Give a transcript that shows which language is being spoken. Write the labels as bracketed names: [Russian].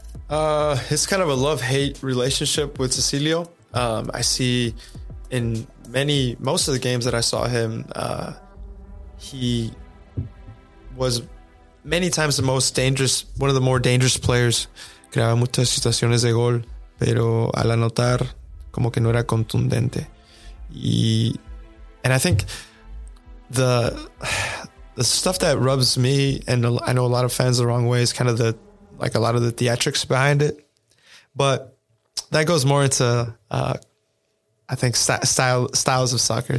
[English] It's kind of a love-hate relationship with Cecilio. I see in most of the games that I saw him, he was many times the most dangerous, one of the more dangerous players. [Spanish] Creaba muchas situaciones de gol, pero al anotar, como que no era contundente. [English] And I think the stuff that rubs me, and I know a lot of fans the wrong way, is kind of the, like a lot of the theatrics behind it, but that goes more into, I think styles of soccer.